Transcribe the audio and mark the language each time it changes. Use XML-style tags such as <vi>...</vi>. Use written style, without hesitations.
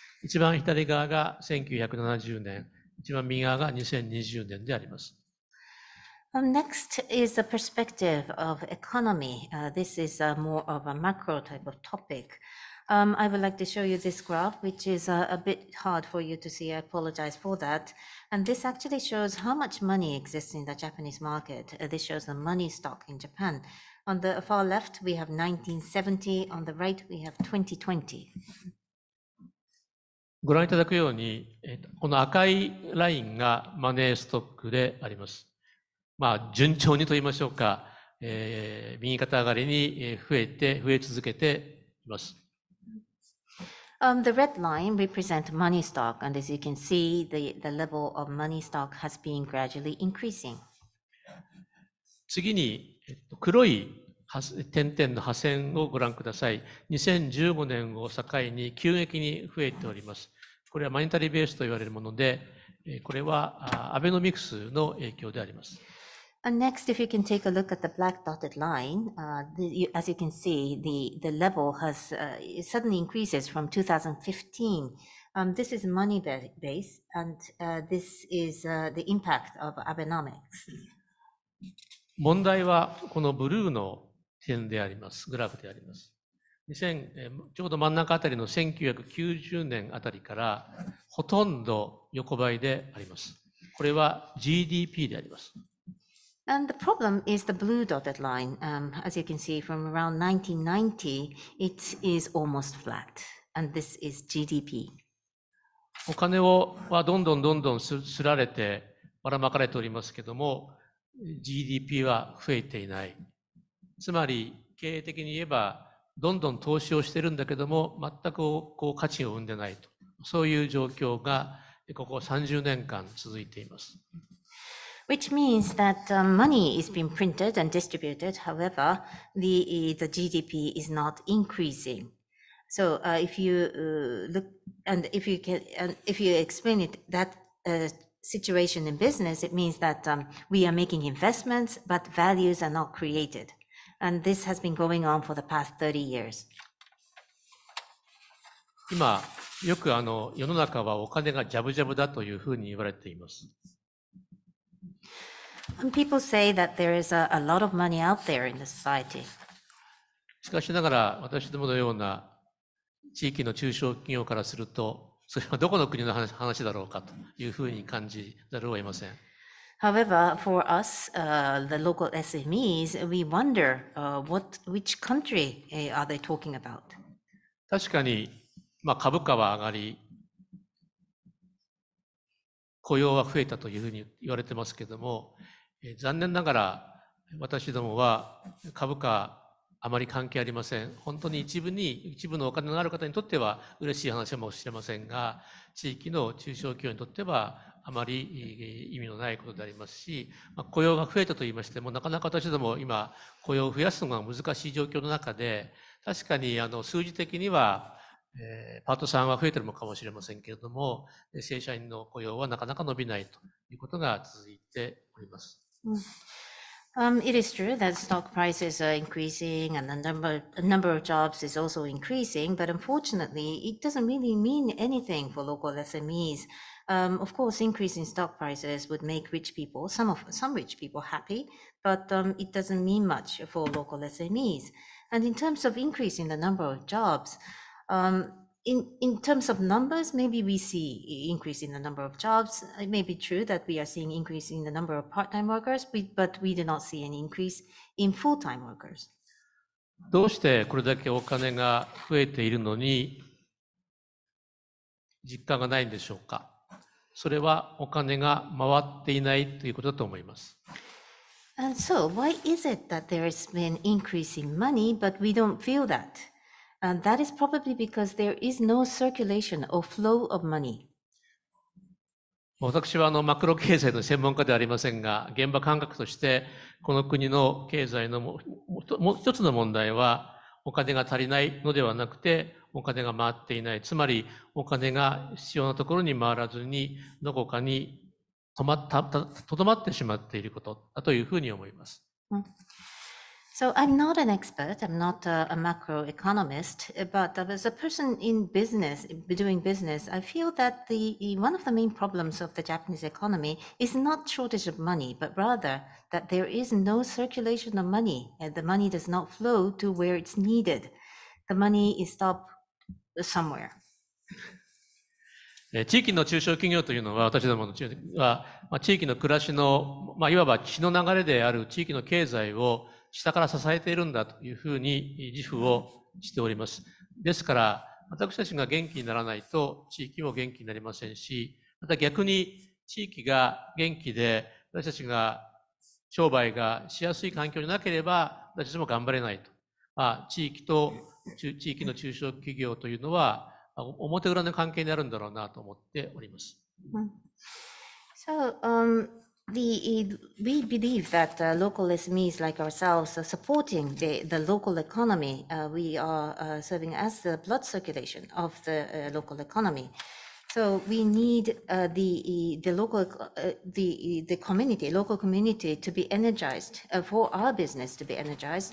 <ja>一番左側が1970年、一番右側が2020年であります。</ja> <en>Next is the perspective of economy. This is more of a macro type of topic. I would like to show you this graph, which is a bit hard for you to see. I apologize for that. And this actually shows how much money exists in the Japanese market. This shows the money stock in Japan. On the far left, we have 1970. On the right, we have 2020.</en> <ja>ご覧いただくように、この赤いラインがマネーストックであります。まあ、順調にと言いましょうか、右肩上がりに増え続けています。</ja> <en>The red line represents money stock, and as you can see, the level of money stock has been gradually increasing.</en> <ja>次に、黒い点々の破線をご覧ください。 2015年を境に急激に増えております。これはマニタリーベースと言われるもので、これはアベノミクスの影響であります。</ja> <en>And next, if you can take a look at the black dotted line, as you can see, the level has suddenly increases from 2015. This is money base, and this is the impact of Abenomics.</en> <ja>問題はこのブルーの点であります。グラフであります。ちょうど真ん中あたりの1990年あたりからほとんど横ばいであります。これは GDP であります。</ja> <en>And the problem is the blue dotted line. As you can see from around 1990, it is almost flat. And this is GDP.</en> <ja>お金はどんどんどんどんすられてばらまかれておりますけども、GDP は増えていない。つまり経営的に言えばどんどん投資をしているんだけども、全くこう価値を生んでないと。そういう状況がここ30年間続いています。</ja> <en>Which means that money is being printed and distributed. However, the GDP is not increasing. So if you look and if you can and if you explain it that situation in business, it means that we are making investments, but values are not created. And this has been going on for the past 30 years.</en> <ja>今よく世の中はお金がジャブジャブだというふうに言われています。</ja> <en>And people say that there is a lot of money out there in the society.</en> <ja>しかしながら私どものような地域の中小企業からするとそれはどこの国の話だろうかというふうに感じざるを得ません。</ja> <en>However, for us, the local SMEs, we wonder which country are they talking about?</en> <ja>確かに、まあ、株価は上がり雇用は増えたというふうに言われてますけれども残念ながら私どもは株価あまり関係ありません。本当に一部のお金のある方にとっては嬉しい話かもしれませんが、地域の中小企業にとってはあまり意味のないことでありますし、雇用が増えたと言いましても、なかなか私ども今雇用を増やすのが難しい状況の中で、確かに数字的にはパートさんは増えているのかもしれませんけれども、正社員の雇用はなかなか伸びないということが続いております。</ja> <en>It is true that stock prices are increasing and the number of jobs is also increasing, but unfortunately, it doesn't really mean anything for local SMEs. Of course, increasing stock prices would make rich people, some rich people happy, but it doesn't mean much for local SMEs. And in terms of increasing the number of jobs,In terms of numbers, maybe we see increase in the number of jobs. It may be true that we are seeing increase in the number of part-time workers, but we do not see an increase in full-time workers.</en> <ja>どうしてこれだけお金が増えているのに実感がないんでしょうか。それはお金が回っていないということだと思います。</ja> <en>And so, why is it that there has been increase in money, but we don't feel that? And that is probably because there is no circulation or flow of money.</en> <ja>私はマクロ経済の専門家ではありませんが、現場感覚としてこの国の経済のもう一つの問題はお金が足りないのではなくてお金が回っていない。つまりお金が必要なところに回らずにどこかに とどまってしまっていることだというふうに思います。</ja> <en>So I'm not an expert, I'm not a macroeconomist, but as a person in business, doing business, I feel that one of the main problems of the Japanese economy is not shortage of money, but rather that there is no circulation of money, and the money does not flow to where it's needed. The money is stopped somewhere.</en> <ja>地域の中小企業というのは、私どもの地域は、地域の暮らしの、いわば血の流れである地域の経済を下から支えているんだというふうに自負をしております。ですから、私たちが元気にならないと地域も元気になりませんし、また逆に地域が元気で私たちが商売がしやすい環境になければ私たちも頑張れないと、地域と地域の中小企業というのは表裏の関係になるんだろうなと思っております。</ja> <en>So, we believe that local SMEs like ourselves are supporting the local economy. We are serving as the blood circulation of the local economy. So we need the community, local community to be energized for our business to be energized.</en>